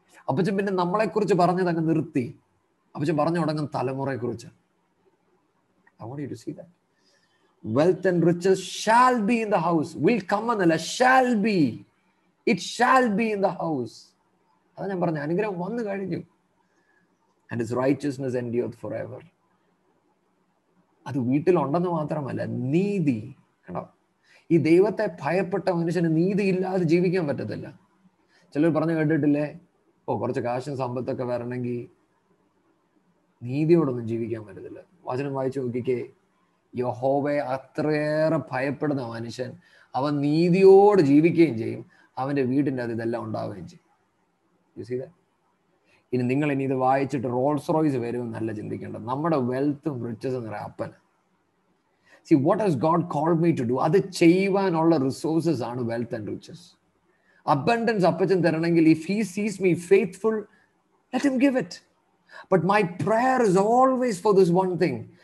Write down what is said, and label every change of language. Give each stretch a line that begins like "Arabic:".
Malayalam: അപ്പച്ചൻ പിന്നെ നമ്മളെ കുറിച്ച് പറഞ്ഞത് അങ്ങ് നിർത്തി, അപ്പച്ചൻ പറഞ്ഞു തുടങ്ങുന്ന തലമുറയെ കുറിച്ച്.
English: I want you to see that. Wealth and riches shall be in the house. Will come
Malayalam: എന്നല്ല,
English: shall be. It shall be in the house.
Malayalam: അത് ഞാൻ പറഞ്ഞു, അനുഗ്രഹം വന്നു കഴിഞ്ഞു.
English: And his righteousness endureth forever.
Malayalam: അത് വീട്ടിലുണ്ടെന്ന് മാത്രമല്ല, നീതി. കേട്ടോ, ഈ ദൈവത്തെ ഭയപ്പെട്ട മനുഷ്യന് നീതി ഇല്ലാതെ ജീവിക്കാൻ പറ്റത്തില്ല. ചിലർ പറഞ്ഞു കേട്ടിട്ടില്ലേ, ഓ കുറച്ച് കാശും സമ്പത്തൊക്കെ വരണമെങ്കിൽ നീതിയോടൊന്നും ജീവിക്കാൻ പറ്റത്തില്ല. വചനം വായിച്ചു നോക്കിക്കേ, യഹോവയെ അത്രയേറെ ഭയപ്പെടുന്ന മനുഷ്യൻ അവൻ നീതിയോട് ജീവിക്കുകയും ചെയ്യും, അവൻ്റെ വീടിൻ്റെ അത് ഇതെല്ലാം ഉണ്ടാവുകയും ചെയ്യും. ഇനി നിങ്ങൾ ഇനി ഇത് വായിച്ചിട്ട് റോൾസ് റോയ്സ് വരും നല്ല ചിന്തിക്കേണ്ട. നമ്മുടെ വെൽത്തും റിച്ചസും എന്ന് പറയുക അപ്പന്.
English: See, what has God called me to do?
Malayalam: Adu cheyvanulla resources aanu
English: wealth and riches. Abundance
Malayalam: appachan theranengil,
English: if he sees me faithful, let him give it. But my prayer is always for this one thing.